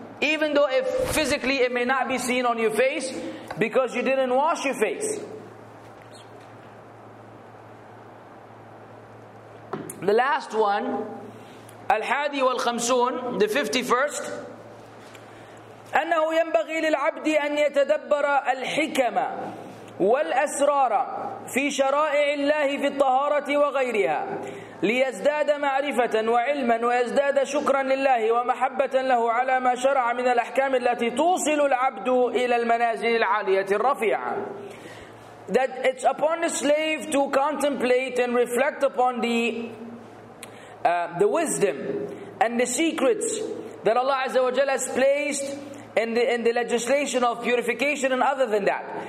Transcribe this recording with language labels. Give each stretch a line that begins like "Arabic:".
English: Even though if physically it may not be seen on your face because you didn't wash your face. The last one
Arabic: الحادي والخمسون
English: the 51st
Arabic: أنه ينبغي للعبد أن يتدبر الحكمة والأسرار في شرائع الله في الطهارة وغيرها ليزداد معرفة وعلما ويزداد شكرا لله ومحبة له على ما شرع من الأحكام التي توصل العبد إلى المنازل العالية الرفيعة.
English: That it's upon the slave to contemplate and reflect upon the wisdom and the secrets that Allah Azza wa Jalla has placed in the legislation of purification and other than that.